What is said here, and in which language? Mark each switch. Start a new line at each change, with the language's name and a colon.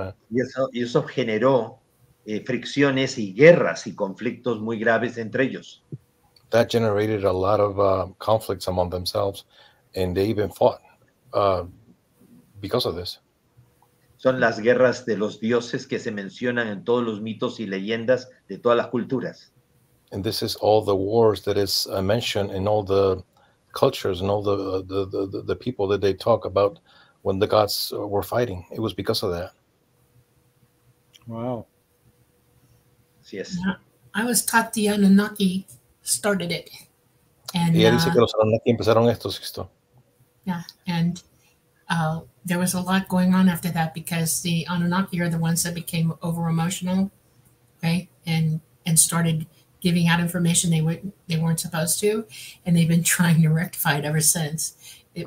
Spanish: Y eso generó fricciones y guerras y conflictos muy graves entre ellos.
English: That generated a lot of conflicts among themselves, and they even fought because of this.
Spanish: Son las guerras de los dioses que se mencionan en todos los mitos y leyendas de todas las culturas.
English: And this is all the wars that is mentioned in all the cultures and all the people that they talk about when the gods were fighting. It was because of that. Wow. Yes. I was taught the Anunnaki started it. And
Spanish: ella dice que los Anunnaki empezaron esto, Sixto.
English: Yeah, and there was a lot going on after that because the Anunnaki are the ones that became over emotional, right? And started giving out information they weren't supposed to, and they've been trying to rectify it ever since.